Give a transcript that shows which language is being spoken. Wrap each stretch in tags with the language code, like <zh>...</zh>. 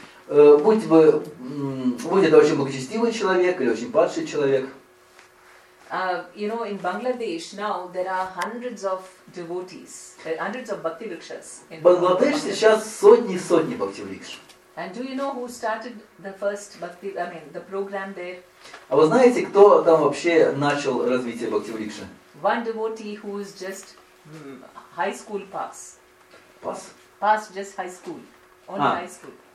<ru>Будь это очень благочестивый человек или очень падший человек.</ru> <en>You know, in Bangladesh now there are hundreds of devotees, hundreds of bhakti rikshas. In</en> <ru>Bangladesh сейчас сотни бхакти рикш.</ru> <en>And do you know who started the first bhakti? I mean, the program there.</en> <ru>А вы знаете, кто там вообще начал развитие бхакти рикши?</ru> <en>One devotee who is just high school pass. Pass? Pass just high school, only high school.</en>